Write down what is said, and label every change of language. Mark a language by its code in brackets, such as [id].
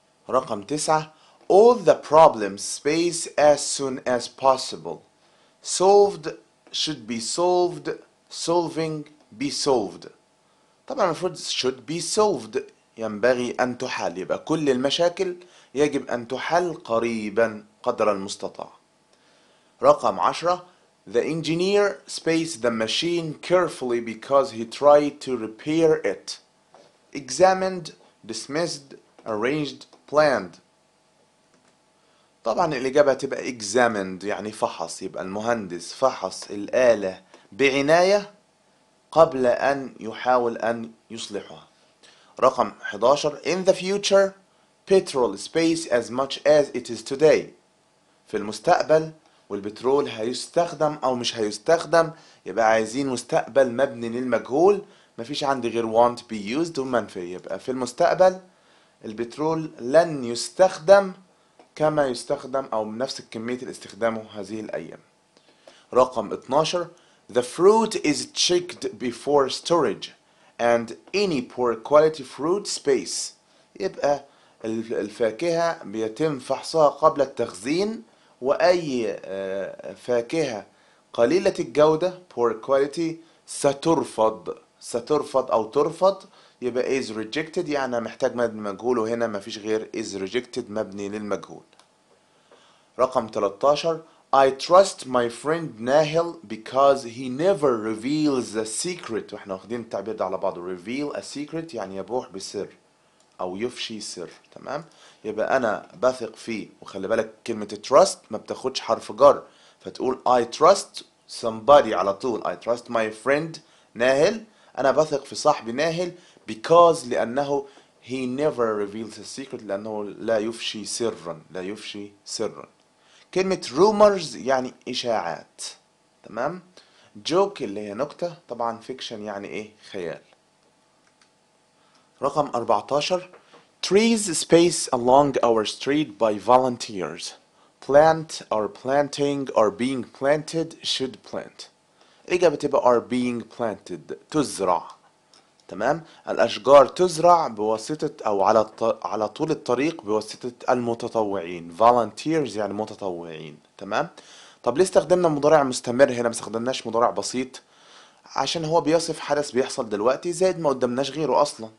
[ar] رقم 9, [en] all the problems face as soon as possible. Solved should be solved, solving be solved. [ar] طبعا المفروض should be solved, ينبغي أن تحل. يبقى كل المشاكل يجب أن تحل قريبا قدر المستطاع. رقم 10, [en] the engineer spaced the machine carefully because he tried to repair it. Examined, dismissed, arranged, planned. [ar] طبعا الإجابة تبقى examined يعني فحص. يبقى المهندس فحص الآلة بعناية قبل أن يحاول أن يصلحها. رقم 11, [en] in the future petrol space as much as it is today. [ar] في المستقبل والبترول هيستخدم أو مش هيستخدم. يبقى عايزين مستقبل مبني للمجهول, مفيش عندي غير [en] want be used [ar] ومنفي. يبقى في المستقبل البترول لن يستخدم كما يستخدم أو بنفس كمية الاستخدامه هذه الأيام. رقم 12, [en] the fruit is checked before storage and any poor quality fruit space. [ar] يبقى الفاكهة بيتم فحصها قبل التخزين, وأي فاكهة قليلة الجودة [en] poor quality [ar] سترفض, سترفض أو ترفض. يبقى [en] is rejected [ar] يعني محتاج مبني للمجهول, وهنا ما فيش غير is rejected مبني للمجهول. رقم 13, [en] I trust my friend Nahil because he never reveals a secret. [ar] واحنا واخدين التعبير ده على بعض, [en] reveal a secret [ar] يعني يبوح بسر او يفشي سر. تمام, يبقى انا بثق فيه. وخلي بالك كلمة trust ما بتاخدش حرف جر, فتقول [en] I trust somebody [ar] على طول. [en] I trust my friend Nahil, [ar] انا بثق في صاحبي ناهل. [en] Because [ar] لانه [en] he never reveals a secret, [ar] لانه لا يفشي سرا, لا يفشي سرا. كلمة rumors يعني إشاعات. تمام, joke اللي هي نكتة, طبعا fiction يعني إيه خيال. رقم 14, [en] trees space along our street by volunteers. Plant or planting or being planted should plant. [ar] الإجابة تبقى [en] are being planted, [ar] تزرع. تمام, الأشجار تزرع بواسطة أو على طول الطريق بواسطة المتطوعين. volunteers يعني متطوعين. تمام, طب ليه استخدمنا مضارع مستمر هنا ما استخدمناش مضارع بسيط؟ عشان هو بيصف حدث بيحصل دلوقتي, زائد ما قدمناش غيره أصلا.